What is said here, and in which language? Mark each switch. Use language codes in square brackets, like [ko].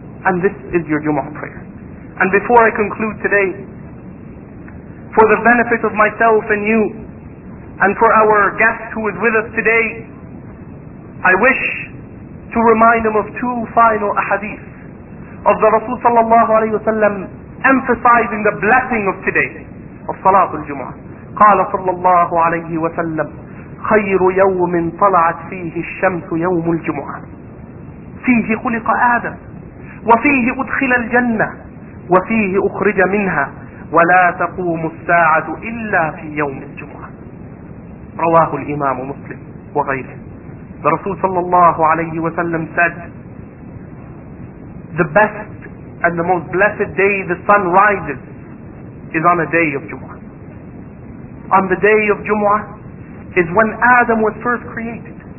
[en] And this is your Jumu'ah prayer. And before I conclude today, for the benefit of myself and you, and for our guest who is with us today, I wish to remind him of two final ahadith of the Rasul sallallahu alayhi wa sallam emphasizing the blessing of today. Of Salatul Jumu'ah. [ar] قال صلى الله عليه وسلم خير يوم طلعت فيه الشمس يوم الجمعة فيه خلق آدم وفيه أدخل الجنة وفيه أخرج منها ولا تقوم الساعة إلا في يوم الجمعة رواه الإمام مسلم وغيره. [en] The Rasul صلى الله عليه وسلم said, the best and the most blessed day the sun rises is on a day of Jumu'ah. On the day of Jumu'ah is when Adam was first created.